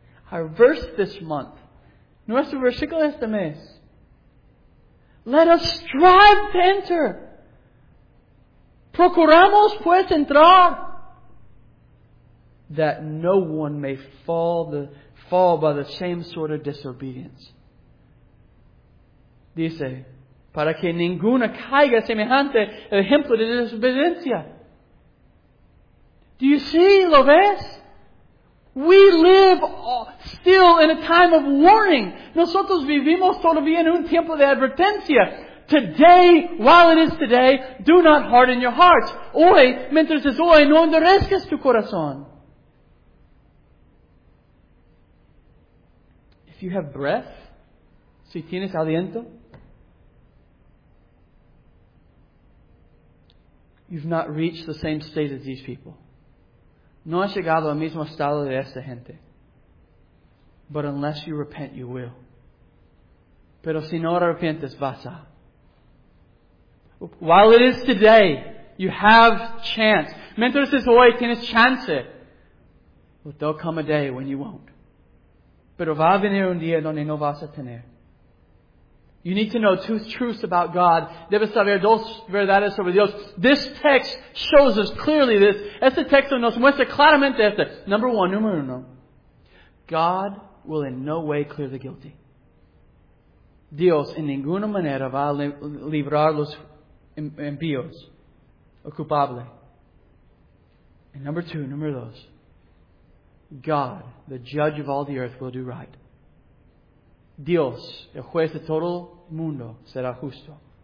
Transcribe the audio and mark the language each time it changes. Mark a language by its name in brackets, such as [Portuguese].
[English] Our verse this month, [Spanish] nuestro versículo este mes, [English] let us strive to enter. [Spanish] Procuramos pues entrar. [English] That no one may fall by the same sort of disobedience. [Spanish] Dice, para que ninguna caiga semejante el ejemplo de desobediencia. [English] Do you see, [Spanish] lo ves? [English] We live still in a time of warning. [Spanish] Nosotros vivimos todavía en un tiempo de advertencia. [English] Today, while it is today, do not harden your hearts. [Spanish] Hoy, mientras es hoy, no endurezcas tu corazón. [English] If you have breath, [Spanish] si tienes aliento, [English] you've not reached the same state as these people. [Spanish] No has llegado al mismo estado de esta gente. [English] But unless you repent, you will. [Spanish] Pero si no arrepientes, vas a. [English] While it is today, you have chance. [Spanish] Mientras es hoy, tienes chance. [English] But there'll come a day when you won't. [Spanish] Pero va a venir un día donde no vas a tener. [English] You need to know two truths about God. [Spanish] Debes saber dos verdades sobre Dios. [English] This text shows us clearly this. [Spanish] Este texto nos muestra claramente esto. [English] Number one, [Spanish] número uno. [English] God will in no way clear the guilty. [Spanish] Dios en ninguna manera va a librar los impíos o culpables. [English] And number two, [Spanish] número dos. [English] God, the judge of all the earth, will do right. [Spanish] Dios, el juez de todo el mundo, será justo.